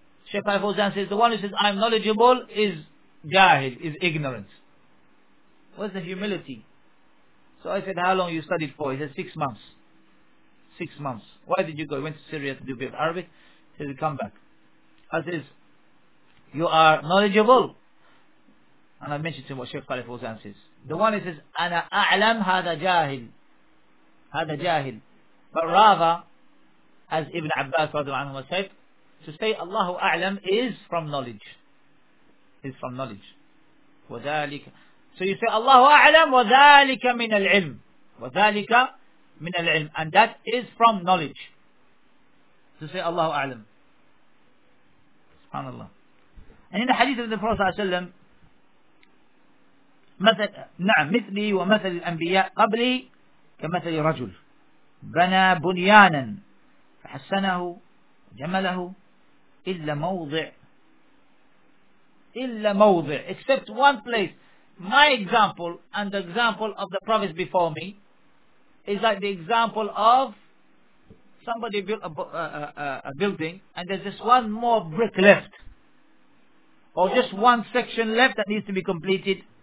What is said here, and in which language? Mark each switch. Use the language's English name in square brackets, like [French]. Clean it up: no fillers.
[English] Shaykh Ali Fawzan says, the one who says, I'm knowledgeable is jahil, is ignorant. Where's the humility? So I said, how long you studied for? He said, 6 months. 6 months. Why did you go? He went to Syria to do a bit of Arabic. He said, come back. I says, you are knowledgeable. And I mentioned to him what Shaykh Khalif Uzan says. The one who says, [Arabic] أَنَا أَعْلَمْ هَذَا جَاهِلْ هَذَا جَاهِلْ. [English] But rather, as Ibn Abbas radiallahu anhu said, to say Allahu A'lam is from knowledge. Is from knowledge. [Arabic] وَذَلِكَ. [English] So you say Allahu A'lam [Arabic] وَذَلِكَ مِنَ الْعِلْمِ وَذَلِكَ مِنَ الْعِلْمِ. [English] And that is from knowledge. To say Allahu A'lam. SubhanAllah. And in the hadith of the Prophet ﷺ, [Arabic] نعم مثلي ومثل الأنبياء قبلي كمثل رجل بنى بنيانا فحسنه جمله إلا موضع إلا موضع [English] except one place. My example and the example of the prophets before me is like the example of somebody built a building and there's just one more brick left or just one section left that needs to be completed.